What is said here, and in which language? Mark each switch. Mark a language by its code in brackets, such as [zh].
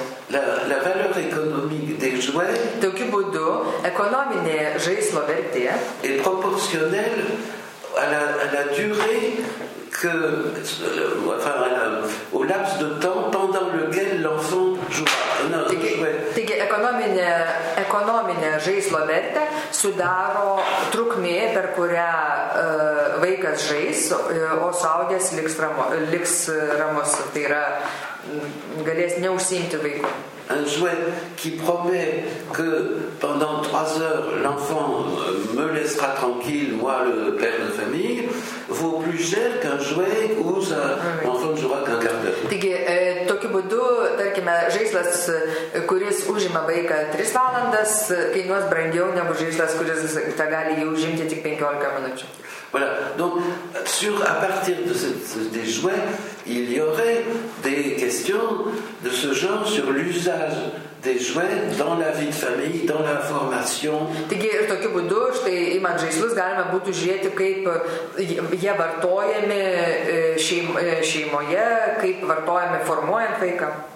[fr] La valeur économique des jouets. [lt] Tokiu būdu, ekonominė žaislo vertė [fr] est proportionnelle à la durée que enfin au laps de temps pendant lequel l'enfant joue. [lt] Taigi ekonominė žaislo vertė sudaro trukmė, per kurią vaikas žais, o suaugęs liks ramos, tai yra galės neužsiimti vaikų. [fr] Un jouet qui promet que pendant 3 heures l'enfant me laissera tranquille, moi le père de famille, vaut plus cher qu'un jouet où l'enfant jouera qu'un quart d'heure. [lt] Taigi, tokiu būdu, tarkime, žaislas, kuris užima vaiką 3 valandas, kainuos brangiau negu žaislas, kuris tą gali jį užimti tik 15 minučių. [fr] Voilà. Donc, à partir de des jouets, il y aurait des questions de ce genre sur l'usage des jouets dans la vie de famille, dans la formation. [lt] Taigi, ir tokiu būdu, štai imant žaislus, galima būtų žiūrėti, kaip jie vartojami šeimoje, kaip vartojami formuojant vaiką.